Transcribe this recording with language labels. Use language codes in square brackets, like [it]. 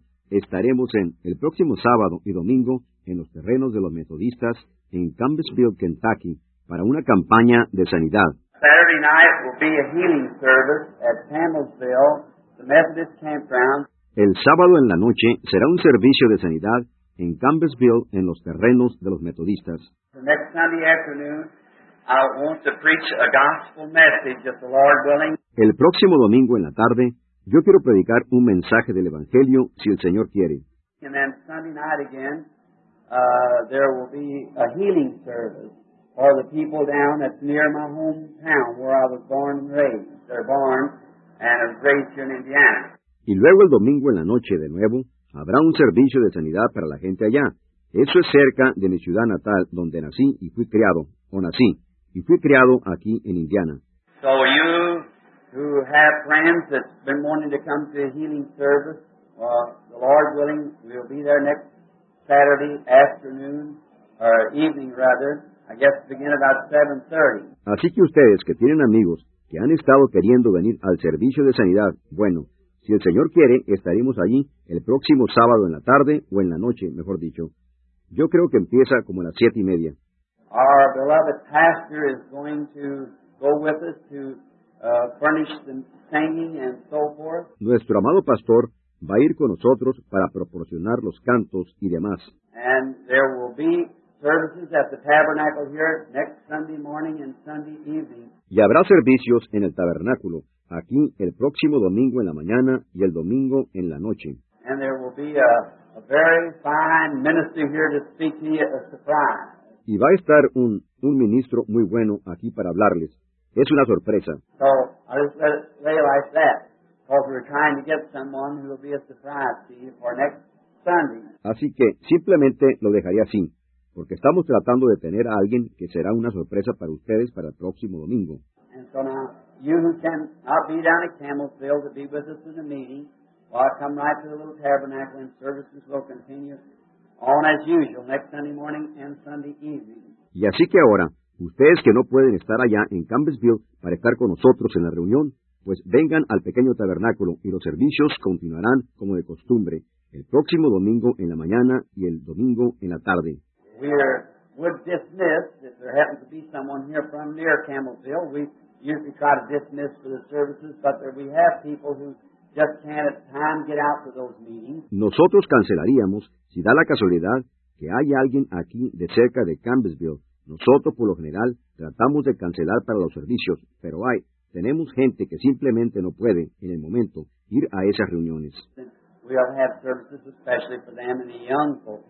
[es] El próximo sábado y domingo en los terrenos de los metodistas en Campbellsville, Kentucky, para una campaña de sanidad. [en] Saturday night will be a healing service at Campbellsville, the Methodist Campground. [es] El sábado en la noche será un servicio de sanidad en Campbellsville, en los terrenos de los metodistas. [en] The next Sunday afternoon, I want to preach a gospel message, if the Lord willing. [es] El próximo domingo en la tarde, yo quiero predicar un mensaje del Evangelio, si el Señor quiere. [en] And then Sunday night again, there will be a healing service for the people down that's near my hometown, where I was born and raised. They're born and raised here in Indiana. [es] Y luego el domingo en la noche de nuevo, habrá un servicio de sanidad para la gente allá. Eso es cerca de mi ciudad natal, donde nací y fui criado, o nací, y fui criado aquí en Indiana. [en] So you who have friends that's been wanting to come to a healing service, the Lord willing, we'll be there next Saturday afternoon, or evening rather, I guess begin about 7:30. [es] Así que ustedes que tienen amigos que han estado queriendo venir al servicio de sanidad, bueno, si el Señor quiere, estaremos allí el próximo sábado en la tarde o en la noche, mejor dicho. Yo creo que empieza como a las 7:30. [en] Our beloved pastor is going to go with us to furnish the singing and so forth. [es] Nuestro amado pastor va a ir con nosotros para proporcionar los cantos y demás. [en] And there will be services at the tabernacle here next Sunday morning and Sunday evening. [es] Y habrá servicios en el tabernáculo aquí el próximo domingo en la mañana y el domingo en la noche. [en] And there will be a very fine minister here to speak to you, a surprise. [es] Y va a estar un ministro muy bueno aquí para hablarles. Es una sorpresa. [en] So, I'll just let it lay like that. Because we're trying to get someone who will be a surprise to you for next Sunday. [es] Así que, simplemente lo dejaría así. Porque estamos tratando de tener a alguien que será una sorpresa para ustedes para el próximo domingo. [en] And so now, you who cannot be down at Campbellsville to be with us in the meeting, well, I'll come right to the little tabernacle and services will continue on as usual next Sunday morning and Sunday evening. [es] Y así que ahora, ustedes que no pueden estar allá en Campbellsville para estar con nosotros en la reunión, pues vengan al pequeño tabernáculo y los servicios continuarán como de costumbre, el próximo domingo en la mañana y el domingo en la tarde. [en] We would dismiss, if there happens to be someone here from near Campbellsville, we usually try to dismiss for the services, but there we have people who just can't at time get out to those meetings. [es] Nosotros cancelaríamos si da la casualidad que hay alguien aquí de cerca de Campbellsville. Nosotros, por lo general, tratamos de cancelar para los servicios, pero tenemos gente que simplemente no puede, en el momento, ir a esas reuniones. [en] We will have services especially for them and the young folks.